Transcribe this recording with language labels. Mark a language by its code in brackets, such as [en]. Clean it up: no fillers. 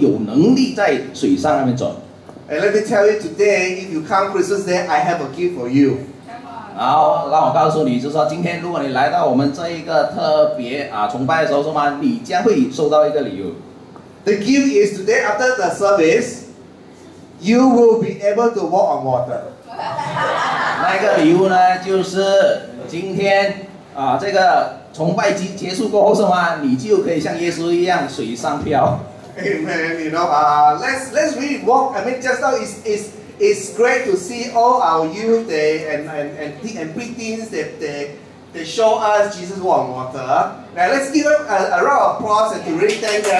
[zh] 又或者你从来没有听说过耶稣有能力在水上那边走？ [en] And let me tell you today, if you come Christmas Day, I have a gift for you. [zh] 然后让我告诉你，就是说今天如果你来到我们这一个特别崇拜的时候，是吗？你将会收到一个礼物。 [en] The gift is today after the service, you will be able to walk on water. [zh] 那个礼物呢，就是今天这个崇拜结束过后，是吗？你就可以像耶稣一样水上漂。 [en] Amen. You know, let's really walk. I mean, just now it's great to see all our youth. They and preteens. They show us Jesus walk on water. Now let's give them a round of applause and to really thank them.